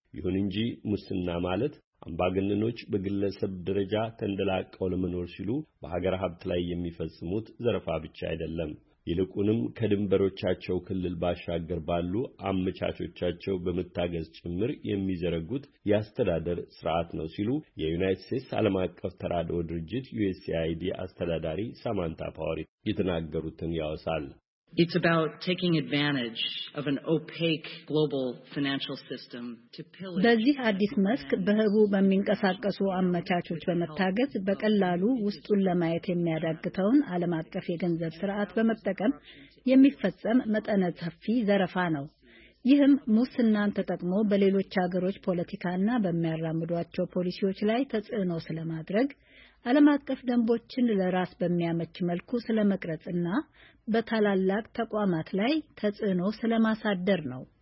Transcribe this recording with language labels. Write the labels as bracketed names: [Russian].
[Amharic] ይሁን እንጂ ሙስና ማለት አምባገነኖች በግለሰብ ደረጃ ተንደላቀው ለመኖር ሲሉ በሀገር ሀብት ላይ የሚፈጽሙት ዘረፋ ብቻ አይደለም። ይልቁንም ከድንበሮቻቸው ክልል ባሻገር ባሉ አመቻቾቻቸው በመታገዝ ጭምር የሚዘረጉት የአስተዳደር ስርዓት ነው ሲሉ የዩናይትድ ስቴትስ ዓለም አቀፍ ተራድኦ ድርጅት USAID አስተዳዳሪ ሳማንታ ፓወሪ የተናገሩትን ያወሳል። [English] It's about taking advantage of an opaque global financial system to pillage. [Amharic] በዚህ አዲስ መስክ በህቡ በሚንቀሳቀሱ አመቻቾች በመታገዝ በቀላሉ ውስጡን ለማየት የሚያዳግተውን ዓለም አቀፍ የገንዘብ ስርዓት በመጠቀም የሚፈጸም መጠነ ሰፊ ዘረፋ ነው። ይህም ሙስናን ተጠቅሞ በሌሎች ሀገሮች ፖለቲካና በሚያራምዷቸው ፖሊሲዎች ላይ ተጽዕኖ ስለማድረግ ዓለም አቀፍ ደንቦችን ለራስ በሚያመች መልኩ ስለመቅረጽና በታላላቅ ተቋማት ላይ ተጽዕኖ ስለማሳደር ነው።